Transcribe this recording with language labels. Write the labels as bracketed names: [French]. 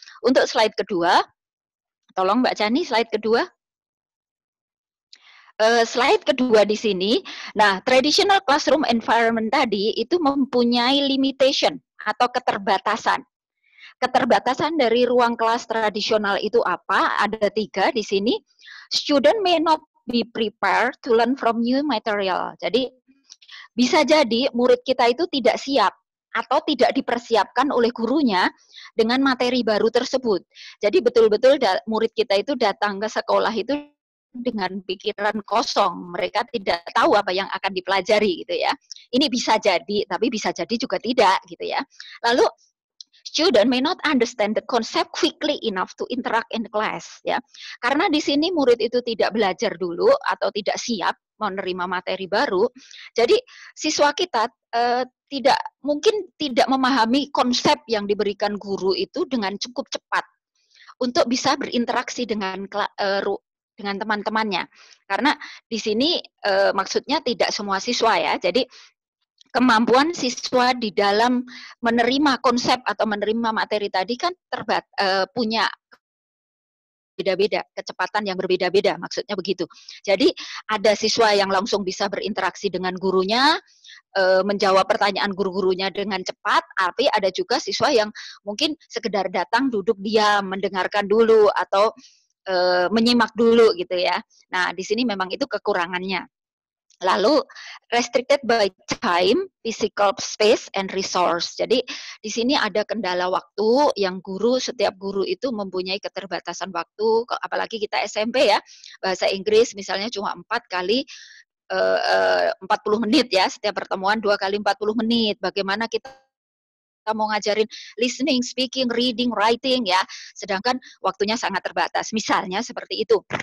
[Indonesian] Untuk slide kedua, tolong Mbak Chani slide kedua. Slide kedua di sini, nah [English] traditional classroom environment [Indonesian] tadi itu mempunyai limitation atau keterbatasan. Keterbatasan dari ruang kelas tradisional itu apa? Ada tiga di sini. [English] Student may not be prepared to learn from new material. [Indonesian] Jadi, bisa jadi murid kita itu tidak siap atau tidak dipersiapkan oleh gurunya dengan materi baru tersebut. Jadi, betul-betul murid kita itu datang ke sekolah itu dengan pikiran kosong. Mereka tidak tahu apa yang akan dipelajari, gitu ya. Ini bisa jadi, tapi bisa jadi juga tidak, gitu ya. Lalu, [English] Student may not understand the concept quickly enough to interact in the class. [Indonesian] Ya. Karena di sini murid itu tidak belajar dulu atau tidak siap menerima materi baru, jadi siswa kita tidak mungkin tidak memahami konsep yang diberikan guru itu dengan cukup cepat untuk bisa berinteraksi dengan teman-temannya. Karena di sini maksudnya tidak semua siswa ya, jadi kemampuan siswa di dalam menerima konsep atau menerima materi tadi kan punya beda-beda, kecepatan yang berbeda-beda, maksudnya begitu. Jadi ada siswa yang langsung bisa berinteraksi dengan gurunya, menjawab pertanyaan guru-gurunya dengan cepat, tapi ada juga siswa yang mungkin sekedar datang duduk diam, mendengarkan dulu atau menyimak dulu gitu ya. Nah, di sini memang itu kekurangannya. [English] Lalu, restricted by time, physical space, and resource. [Indonesian] Jadi, di sini ada kendala waktu yang guru, setiap guru itu mempunyai keterbatasan waktu, apalagi kita SMP ya, bahasa Inggris misalnya cuma 4 kali 40 menit ya, setiap pertemuan 2 kali 40 menit. Bagaimana kita mau ngajarin [English] listening, speaking, reading, writing [Indonesian] ya, sedangkan waktunya sangat terbatas, misalnya seperti itu.